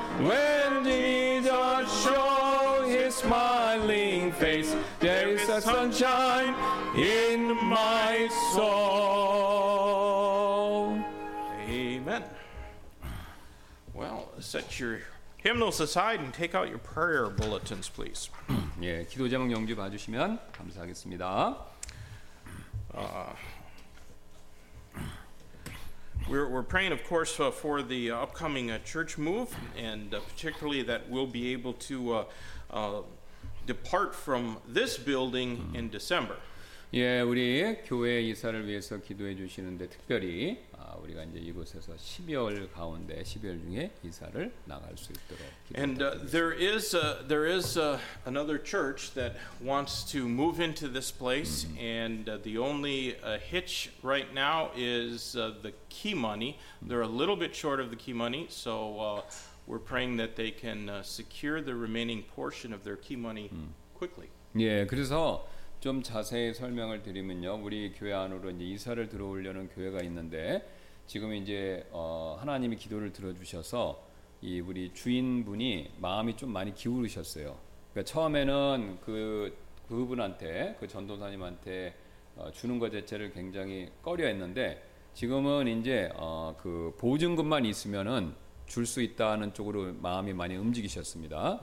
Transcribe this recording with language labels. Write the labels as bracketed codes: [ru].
[en] When Jesus shows his smiling face, there is a sunshine in my soul. Amen. Well, set your hymnals aside and take out your prayer bulletins, please. [ko] 예, 기도 제목 영주 봐주시면 감사하겠습니다. [en] We're praying, of course, for the upcoming church move, and particularly that we'll be able to depart from this building in December. [ko] 예, 우리 교회 이사를 위해서 기도해 주시는데 특별히 우리가 이제 이곳에서 12월 가운데 12월 중에 이사를 나갈 수 있도록 기도합니다. [en] And there is another church that wants to move into this place, and the only hitch right now is the key money. They're a little bit short of the key money, so we're praying that they can secure the remaining portion of their key money quickly. [ko] 예, 그래서 좀 자세히 설명을 드리면요, 우리 교회 안으로 이제 이사를 들어오려는 교회가 있는데 지금 이제 하나님이 기도를 들어주셔서 이 우리 주인분이 마음이 좀 많이 기울으셨어요. 그러니까 처음에는 그분한테 그 전도사님한테 주는 것 자체를 굉장히 꺼려했는데 지금은 이제 그 보증금만 있으면은 줄 수 있다는 쪽으로 마음이 많이 움직이셨습니다.